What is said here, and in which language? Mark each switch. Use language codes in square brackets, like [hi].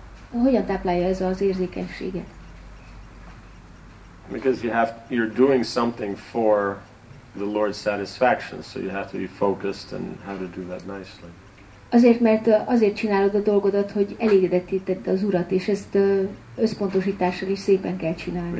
[hu] Hogyan táplálja ez az érzékenységet? [en] Because you're doing something for the Lord's satisfaction, so you have to be focused and how to do that nicely. [hu] Azért, mert azért csinálod a dolgodat, hogy elégedetíted az Urat, és ezt összpontosítással is szépen kell csinálni.